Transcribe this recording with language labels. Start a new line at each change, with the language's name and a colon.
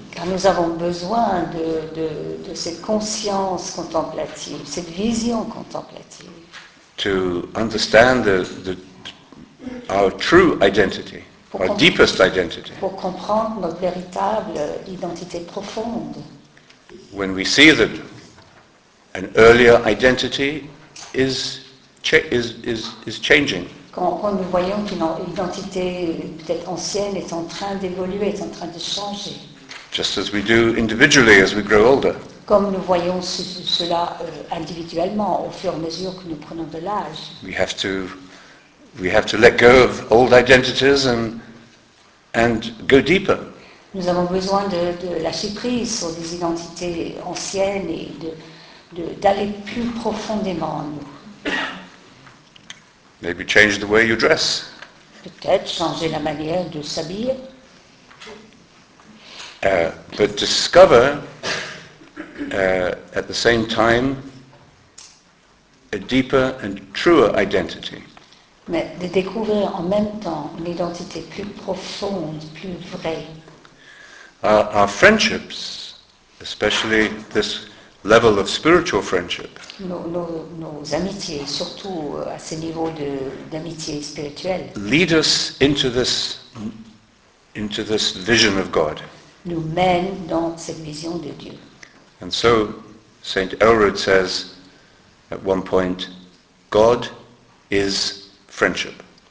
French: Car nous avons besoin de cette conscience contemplative, cette vision contemplative.
English: To understand our true identity, our deepest identity.
French: Pour comprendre notre véritable identité profonde.
English: When we see that an earlier identity is is changing.
French: Quand nous voyons qu'une identité peut-être ancienne est en train d'évoluer, est en train de changer.
English: Just as we do individually as we grow older.
French: Comme nous voyons cela individuellement au fur et à mesure que nous prenons de l'âge.
English: We have to let go of old identities and go deeper.
French: Nous avons besoin de lâcher prise sur des identités anciennes et d'aller plus profondément en nous.
English: Maybe change the way you dress.
French: Peut-être changer la manière de s'habiller.
English: But discover at the same time a deeper and truer identity.
French: Mais de découvrir en même temps une identité plus profonde, plus vraie.
English: Our friendships, especially this level of spiritual friendship.
French: Nos amitiés, surtout à ce niveau d'amitié spirituelle.
English: Lead us into this vision of God.
French: Nous mène dans cette vision de Dieu.
English: And so Saint Elrod says at one point, God is friendship.